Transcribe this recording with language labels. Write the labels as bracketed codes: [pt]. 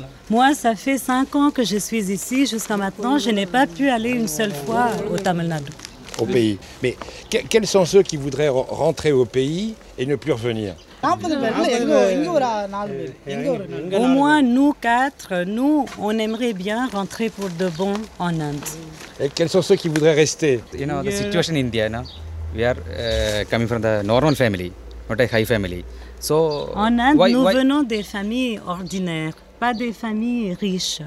[fr] Moi, ça fait 5 ans que je suis ici. Jusqu'à maintenant, je n'ai pas pu aller une seule fois au Tamil Nadu. Au pays. Mais quels sont ceux qui voudraient rentrer au pays et ne plus revenir? Au moins, nous quatre, nous, on aimerait bien rentrer pour de bon en Inde. Et quels sont ceux qui voudraient rester? [en] You know, the situation indienne. We are coming from the normal family, not a high family. So, [fr] en Inde, nous venons des familles ordinaires, pas des familles riches.